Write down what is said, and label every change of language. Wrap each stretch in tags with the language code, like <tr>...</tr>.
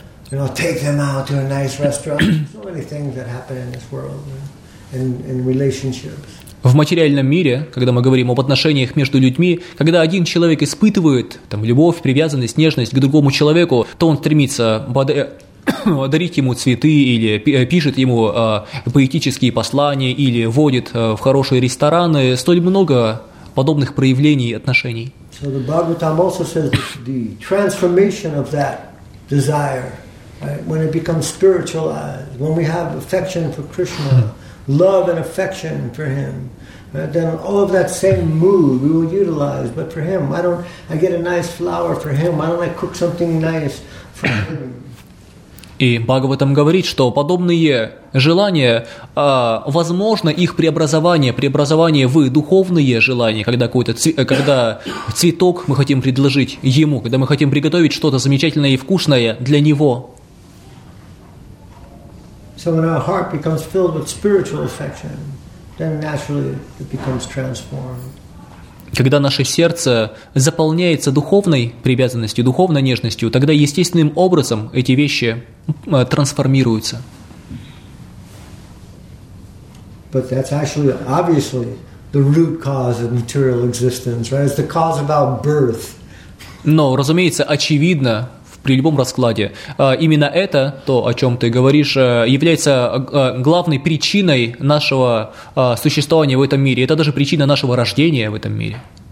<en>You know, take them out to a nice restaurant. So many things that happen in this world, in relationships.</en> <ru>В материальном мире, когда мы говорим об отношениях между людьми, когда один человек испытывает там, любовь, привязанность, нежность к другому человеку, то он стремится подарить ему цветы или пишет ему поэтические послания или водит в хорошие рестораны. Столь много подобных проявлений отношений.</ru> <en>So the Bhagavatam also says the transformation of that desire, right, when it becomes spiritualized, when we have affection for Krishna, love and affection for him, right, then all of that same mood we will utilize, but for him, why don't I get a nice flower for him, why don't I cook something nice for him?</en> <ru>И Бхагаватам говорит, что подобные желания, возможно, их преобразование в духовные желания, когда какой-то когда цветок мы хотим предложить ему, когда мы хотим приготовить что-то замечательное и вкусное для него.</ru> <en>So when our heart becomes filled with spiritual affection, then naturally it becomes transformed.</en> <ru>Когда наше сердце заполняется духовной привязанностью, духовной нежностью, тогда естественным образом эти вещи трансформируются.</ru> <en>But that's actually obviously the root cause of material existence, right? It's the cause about birth.</en> <ru>Но, разумеется, очевидно, при любом раскладе, именно это, то, о чем ты говоришь, является главной причиной нашего существования в этом мире. Это даже причина нашего рождения в этом мире.</ru>